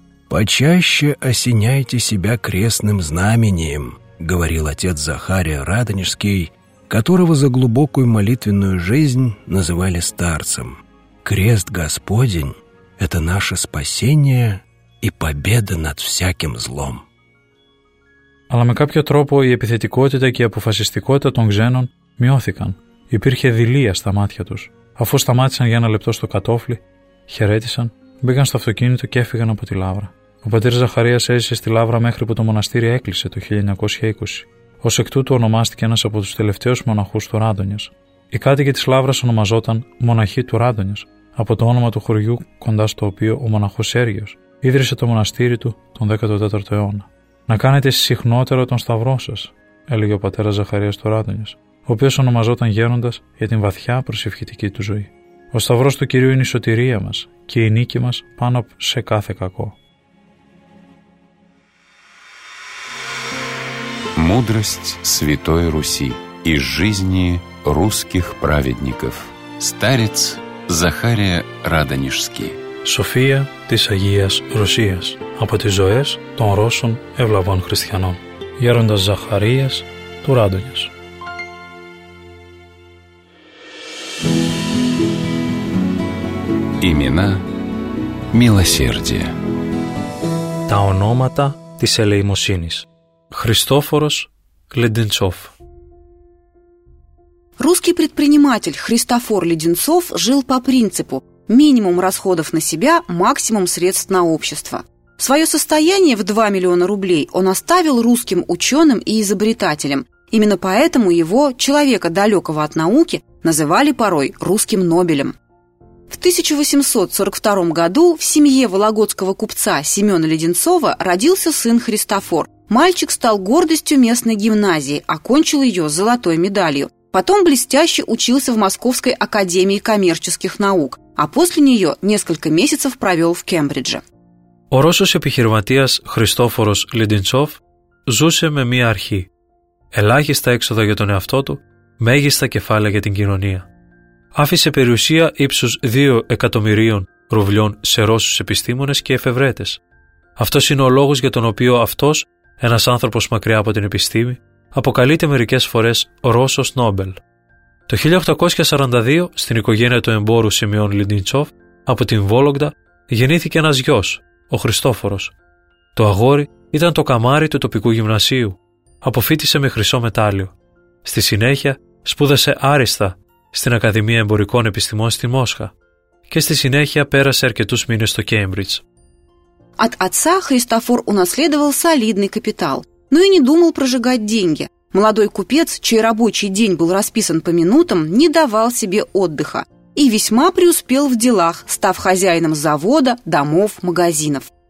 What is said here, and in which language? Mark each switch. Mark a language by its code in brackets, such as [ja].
[ru] «Почаще осеняйте себя крестным знамением», — говорил отец Захария Радонежский, которого за глубокую молитвенную жизнь называли старцем. «Крест Господень — это наше спасение и победа над всяким злом». [el] Αλλά με κάποιο τρόπο η επιθετικότητα και η αποφασιστικότητα των ξένων μειώθηκαν. Υπήρχε δειλία στα μάτια τους. Αφού σταμάτησαν για ένα λεπτό στο κατόφλι, χαιρέτησαν, μπήκαν στο αυτοκίνητο και έφυγαν από τη Λαύρα. Ο πατήρ Ζαχαρίας έζησε στη Λαύρα μέχρι που το μοναστήρι έκλεισε το 1920. Ως εκ τούτου ονομάστηκε ένας από τους τελευταίους μοναχούς του Ράντονιας. Οι κάτοικοι της Λαύρας ονομαζόταν Μοναχοί του Ράντονιας, από το όνομα του χωριού κοντά στο οποίο ο μοναχός Σέργιος ίδρυσε το μοναστήρι του τον 14ο αιώνα. «Να κάνετε συχνότερο τον σταυρό σας», έλεγε ο πατέρας Ζαχαρίας του Ράντονιας, ο οποίος ονομαζόταν γέροντας για την βαθιά προσευχητική του ζωή. «Ο σταυρός του Κυρίου είναι η σωτηρία μας και η νίκη μας πάνω σε κάθε κακό». [ru] Мудрость Святой Руси из жизни русских праведников. Старец Захария Радонежский. [el] София της Αγίας Ρωσίας. Από τις ζωές των Ρώσων ευλαβών χριστιανών. Γέροντας Ζαχαρίας του Ράντονιας. [ru] Имена милосердия. [el] Τα ονόματα της ελεημοσύνης. [ru] Христофорос Леденцов. Русский предприниматель Христофор Леденцов жил по принципу: минимум расходов на себя, максимум средств на общество. Свое состояние в 2 миллиона рублей он оставил русским ученым и изобретателям. Именно поэтому его, человека далекого от науки, называли порой русским Нобелем. В 1842 году в семье вологодского купца Семена Леденцова родился сын Христофор. Мальчик стал гордостью местной гимназии, окончил ее золотой медалью. Потом блестяще учился в Московской академии коммерческих наук, а после нее несколько месяцев провел в Кембридже. [el] Ο Ρώσος επιχειρηματίας Χριστόφορος Λεντιντσόφ ζούσε με μία αρχή. Ελάχιστα έξοδα για τον εαυτό του, μέγιστα κεφάλαια για την κοινωνία. Άφησε περιουσία ύψους 2 εκατομμυρίων ρουβλιών σε Ρώσους επιστήμονες και εφευρέτες. Αυτός είναι ο λόγος για τον οποίο αυτός, ένας άνθρωπος μακριά από την επιστήμη, αποκαλείται μερικές φορές Ρώσος Νόμπελ. Το 1842, στην οικογένεια του εμπόρου Σιμεών Λιντιντσόφ, από την Βόλογντα, γεννήθηκε ένας γιος, ο Χριστόφορος. Το αγόρι ήταν το καμάρι του τοπικού γυμνασίου. Αποφύτησε με χρυσό μετάλλιο. Στη συνέχεια, σπούδασε άριστα στην Ακαδημία Εμπορικών Επιστημών στη Μόσχα και στη συνέχεια πέρασε αρκετούς μήνες στο Κέμπριτζ. [ru] От отца Христофор унаследовал солидный капитал, но и не думал прожигать деньги. Молодой купец, чей рабочий день был расписан по минутам, не давал себе отдыха и весьма преуспел в делах, став хозяином завода, домов, магазинов.